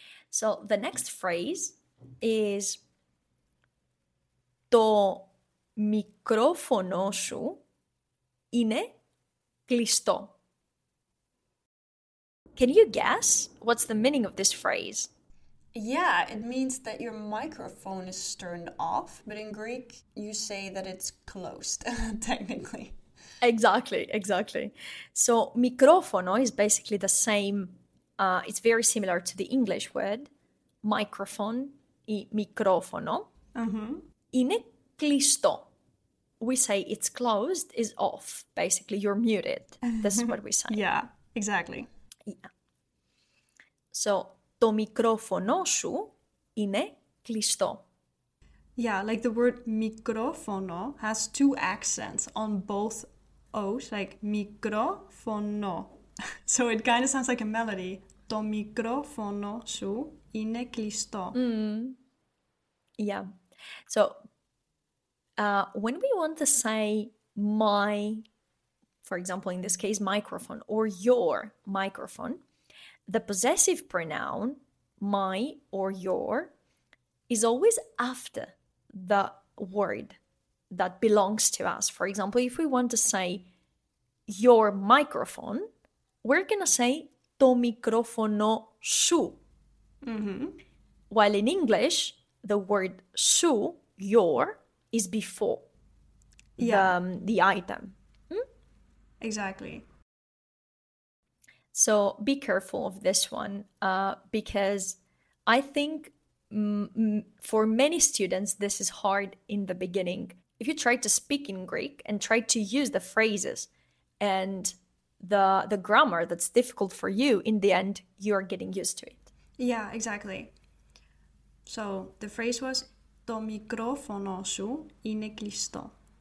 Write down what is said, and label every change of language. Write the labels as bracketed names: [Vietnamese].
[English] So the next phrase is [Greek] το μικρόφωνο σου είναι κλειστό. [English] Can you guess what's the meaning of this phrase? Yeah, it means that your microphone is turned off, but in Greek you say that it's closed, technically. Exactly. So, microfono is basically the same, it's very similar to the English word, microphone, y microfono. [Greek] Είναι κλειστό. [English] We say it's closed, is off, basically, you're muted. This is what we say. Yeah, exactly. Yeah. So, [Greek] το μικρόφωνο σου είναι κλειστό. [English] Yeah, like the word μικρόφωνο has two accents on both O's, like μικρόφωνο. So it kind of sounds like a melody. [Greek] Το μικρόφωνο σου είναι κλειστό. [English] Yeah. So when we want to say my, for example, in this case, microphone, or your microphone, the possessive pronoun, my or your, is always after the word that belongs to us. For example, if we want to say your microphone, we're going to say [Greek] το μικρόφωνο σου. [English] While in English, the word σου, your, is before the item. Exactly. So be careful of this one, because I think for many students, this is hard in the beginning. If you try to speak in Greek and try to use the phrases and the grammar that's difficult for you, in the end, you're getting used to it. Yeah, exactly. So the phrase was, [Greek] το μικρόφωνο σου είναι κλειστό.